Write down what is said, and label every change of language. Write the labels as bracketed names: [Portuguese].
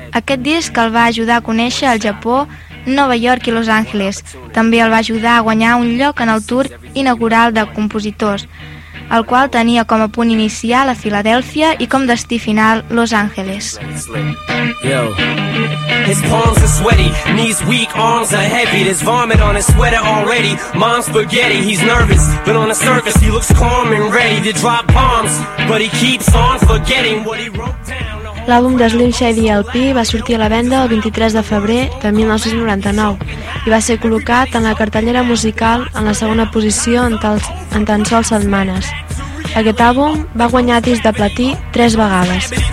[Catalan] Aquest disc el va ajudar a conèixer el Japó, Nova York i Los Angeles. També el va ajudar a guanyar un lloc en el tour inaugural de compositors, el qual tenia com a punt inicial a Filadèlfia i com destí final Los Angeles. [English] His palms are sweaty, knees weak, arms are heavy. There's vomit on his sweater already, mom's spaghetti. He's nervous, but on the surface he looks calm and ready to drop bombs, but he keeps on forgetting what he wrote down. [Catalan] L'àlbum de Slim Shady LP va sortir a la venda el 23 de febrer de 1999 i va ser col·locat en la cartellera musical en la segona posició en tan sols setmanes. Aquest àlbum va guanyar disc de platí 3 vegades.